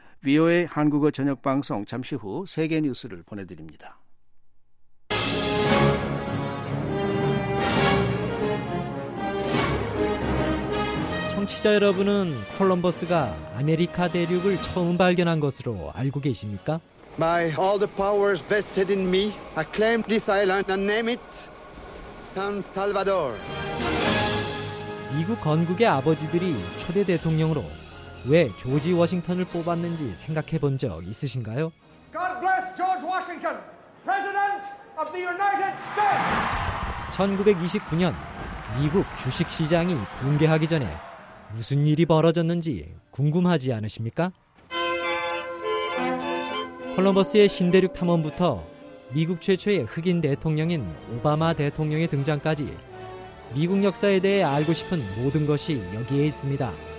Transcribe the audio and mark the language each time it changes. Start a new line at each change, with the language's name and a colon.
Korean: VOA 한국어 저녁방송 잠시 후 세계 뉴스를 보내드립니다. 청취자 여러분은 콜럼버스가 아메리카 대륙을 처음 발견한 것으로 알고 계십니까?
English: By all the powers vested in me, I claim this island and name it San Salvador.
Korean: 미국 건국의 아버지들이 초대 대통령으로 왜 조지 워싱턴을 뽑았는지 생각해 본 적 있으신가요?
English: God bless George Washington, President of the United States.
Korean: 1929년 미국 주식 시장이 붕괴하기 전에 무슨 일이 벌어졌는지 궁금하지 않으십니까? 콜럼버스의 신대륙 탐험부터 미국 최초의 흑인 대통령인 오바마 대통령의 등장까지 미국 역사에 대해 알고 싶은 모든 것이 여기에 있습니다.